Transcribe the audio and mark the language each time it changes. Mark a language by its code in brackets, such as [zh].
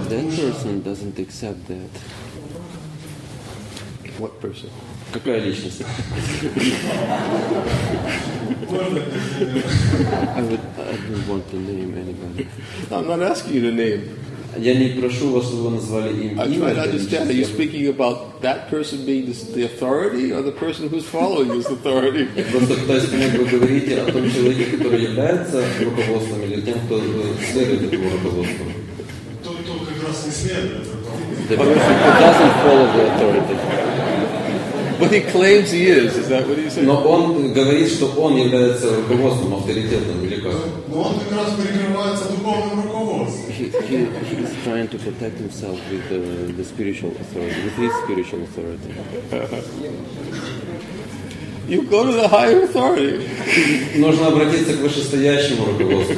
[en] But that person doesn't accept that. What person? [ru] Какая личность? [en] I don't want to name anybody. I'm not asking you to name. [ru] Я не прошу вас, чтобы вы назвали имя. [en] I'm trying to understand. Are you speaking about that person being the authority, or the person who's following this authority? [ru] Просто пытаюсь понять, вы говорите о том человеке, который является руководством, или тем, кто следует этому руководству? Тот, как раз не следует. [en] The person who doesn't follow the authority. But he claims he is. Is that what he said? [ru] Но он говорит, что он является руководством, авторитетом, или как? Но он как раз прикрывается духовным руководством. [en] He is trying to protect himself with the spiritual authority, with his spiritual authority. You go to the higher authority. [ru] Нужно обратиться к вышестоящему руководству.